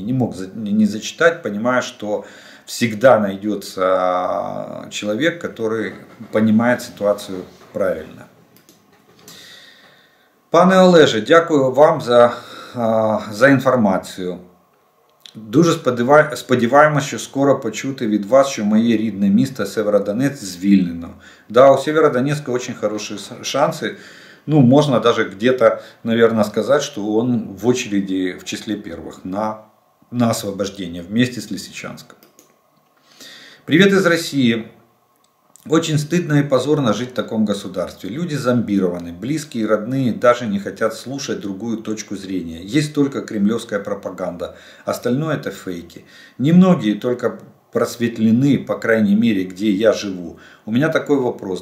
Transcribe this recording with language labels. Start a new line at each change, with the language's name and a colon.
Russian: Не мог не зачитать, понимая, что всегда найдется человек, который понимает ситуацию правильно.
Ukrainian: Пане Олеже, дякую вам за інформацію. Дуже сподіваємося, що скоро почути від вас, що моє рідне місто Сєвєродонецьк звільнено. Да, у Сєвєродонецька дуже хороші шанси. Ну, можна навіть
Russian: где-то, наверно,
Ukrainian: сказати, що він в очереді в числі перших на освобождення в місті з Лисичанськом. Привіт із Росії.
Russian: Очень стыдно и позорно жить в таком государстве. Люди зомбированы, близкие и родные даже не хотят слушать другую точку зрения. Есть только кремлевская пропаганда, остальное это фейки. Немногие только просветлены, по крайней мере, где я живу. У меня такой вопрос.